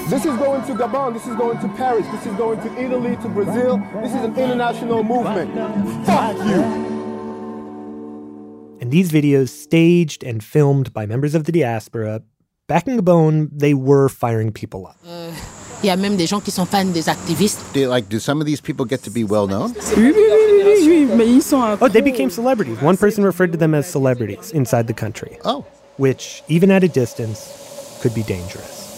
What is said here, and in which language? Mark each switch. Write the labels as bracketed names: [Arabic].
[English] This is going to Gabon, this is going to Paris, this is going to Italy, to Brazil. This is an international movement. Fuck you! And these videos, staged and filmed by members of the diaspora, back in Gabon, they were firing people up. [French] Il y a même des gens qui sont fans des activistes. [English] Do some of these people get to be well known? [French] Oui, mais ils sont... [English] Oh, they became celebrities. One person referred to them as celebrities inside the country. Oh. Which, even at a distance, could be dangerous.